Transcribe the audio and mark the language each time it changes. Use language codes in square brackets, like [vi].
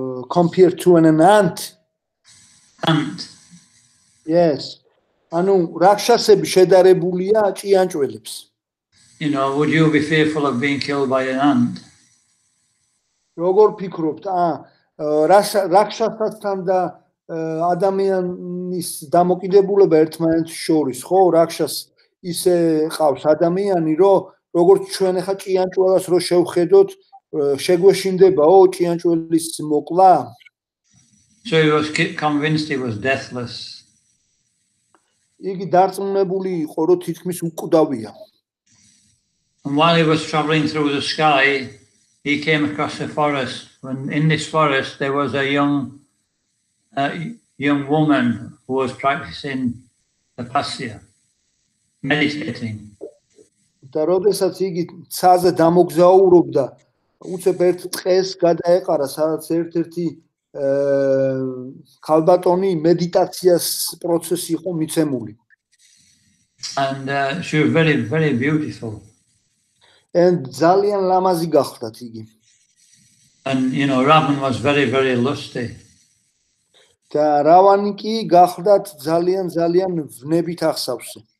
[en] Compared to an ant. Ant. [ka] Yes. Anu rakshasebi shedarebulia qianjvelebs. [en] You know, would you be fearful of being killed by an ant? [ka] Rogor pikrobt, a rakshasatsan da ადამიანის დამოკიდებულება ერთმანეთს შორის, ხო, რაქშას ისე ყავს ადამიანი, რომ როგორც ჩვენ ახლა ჭიანჭველას რო შევხედოთ, შეგვეშინდებაო ჭიანჭველის მოკლა? [en] So he was convinced he was deathless. [ka] იგი დარწმუნებული იყო, რომ თითქმის უკვდავია. [en] And while he was traveling through the sky, he came across a forest. When in this forest there was a young woman who was practicing tapasya, meditating. [ka] და როდესაც იგი ცაზე დამოგზაურობდა, უცებ ერთ დღეს გადაეყარა, სადაც ერთ-ერთი ქალბატონი მედიტაციის პროცესი იყო მიცემული. [en] And she was very, very beautiful. [ka] And ძალიან ლამაზი გახლდათ იგი. [en] And you know, Ravan was very, very lusty. [ka] და რავანი კი გახლდათ ძალიან ძალიან ვნებით ახსავს.